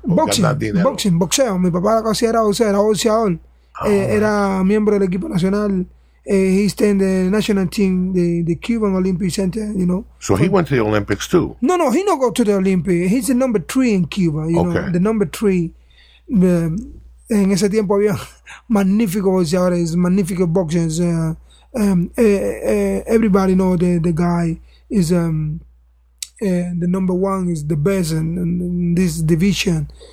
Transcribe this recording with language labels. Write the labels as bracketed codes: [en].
[es] boxing, boxeo. Mi papá lo que hacía era boxeador. Era miembro del equipo nacional. [en] He's in the national team, the Cuban Olympic Center, you know. So he went to the Olympics too? No, he no go to the Olympics. He's the number three in Cuba, you know. The number three. [es] En ese tiempo había magnífico boxeadores, magnífico boxers. [en] Everybody know the guy is the number one, is the best in this division.